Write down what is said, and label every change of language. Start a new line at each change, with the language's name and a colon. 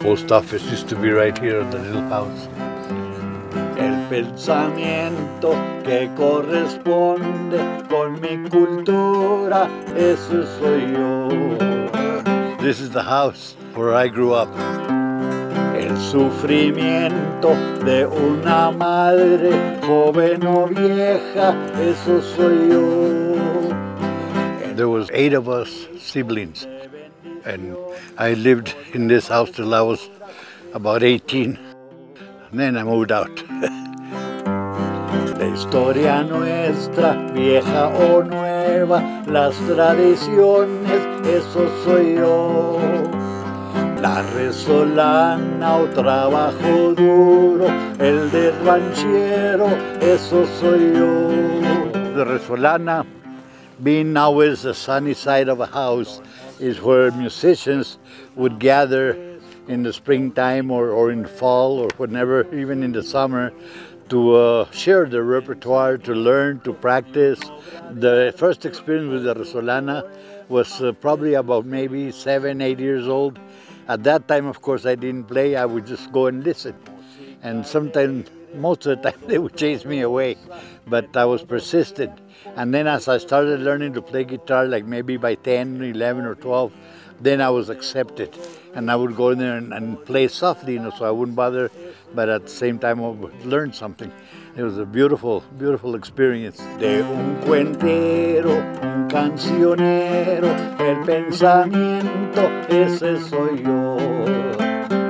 English: office used to be right here in the little house.
Spanish: El pensamiento que corresponde con mi cultura, ese soy yo.
English: This is the house where I grew up.
Spanish: El sufrimiento de una madre, joven o vieja, eso soy yo.
English: There was 8 of us siblings, and I lived in this house till I was about 18. And then I moved out.
Spanish: La historia nuestra, vieja o nueva, las tradiciones, eso soy yo. La resolana o trabajo duro, el de ranchero, eso soy yo.
English: The resolana, being always the sunny side of a house, is where musicians would gather in the springtime or in fall or whenever, even in the summer, to share their repertoire, to learn, to practice. The first experience with the resolana was probably about maybe 7, 8 years old. At that time, of course, I didn't play. I would just go and listen. And sometimes, most of the time, they would chase me away. But I was persistent. And then as I started learning to play guitar, like maybe by 10, 11, or 12, then I was accepted. And I would go in there and play softly, you know, so I wouldn't bother. But at the same time, I would learn something. It was a beautiful, beautiful experience.
Spanish: De un cuentero, un cancionero, el pensamiento, ese soy yo.